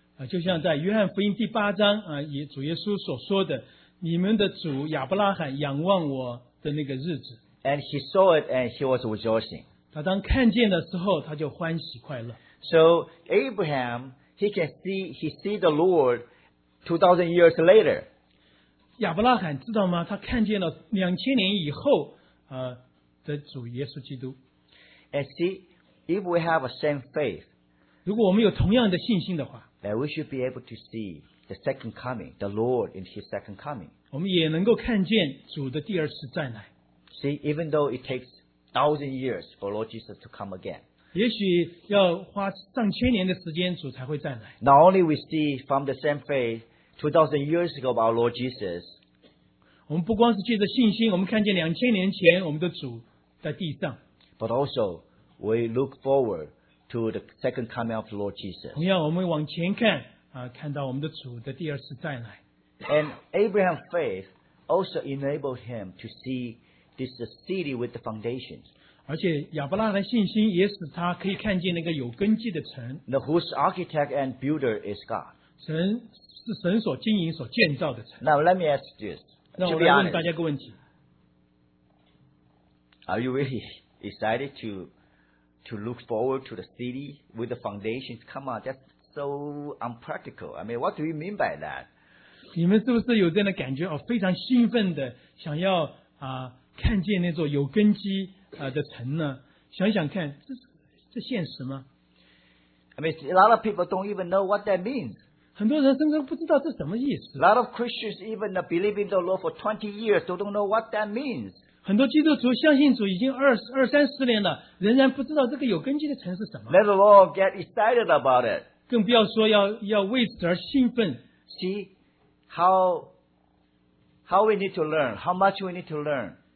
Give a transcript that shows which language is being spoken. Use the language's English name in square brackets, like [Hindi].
[Chinese] 就像在约翰福音第八章以主耶稣所说的，你们的主亚伯拉罕仰望我的那个日子。 [English] And he saw it, and he was rejoicing. [Chinese] 他当看见的时候，他就欢喜快乐。 [English] So Abraham, he see the Lord 2,000 years later. [Chinese] 亚伯拉罕知道吗？他看见了2000年以后的主耶稣基督。 [English] And see, if we have a same faith, [Chinese] 如果我们有同样的信心的话 [English] ，then we should be able to see the second coming, the Lord in His second coming. [Chinese] 我们也能够看见主的第二次再来。 [English] See, even though it takes 1,000 years for Lord Jesus to come again. [Chinese] 也许要花上千年的时间，主才会再来。 [English] Not only we see from the same faith 2,000 years ago about Lord Jesus， [Chinese] 我们不光是借着信心，我们看见2000年前我们的主在地上。 [English] But also we look forward to the second coming of the Lord Jesus。 [Chinese] 同样，我们往前看看到我们的主的第二次再来。 [English] And Abraham's faith also enabled him to see this city with the foundations。 [Chinese] 而且亚伯拉罕的信心也使他可以看见那个有根基的城。 [English] The whose architect and builder is God. [Chinese] 神是神所经营所建造的城。 [English] Now let me ask this. [Chinese] 那我来问大家个问题。 [English] Are you really excited to to look forward to the city with the foundations. Come on, that's so unpractical. I mean, what do you mean by that? [Chinese] 你们是不是有这样的感觉, 哦, 非常兴奋的, 想要, 啊, 看见那座有根基, 啊, 的城呢? 想想看, 这, 这现实吗? [English] I mean, a lot of people don't even know what that means. [Chinese] 很多人甚至不知道这什么意思。 [English] A lot of Christians even believe in the Lord for 20 years, they don't know what that means. [Chinese] 很多基督徒相信主已经二三十年了,仍然不知道这个有根基的城是什么。 [English] Let alone get excited about it. [Chinese] 更不要说要为此而兴奋。 [English] See how we need to learn, how much we need to learn.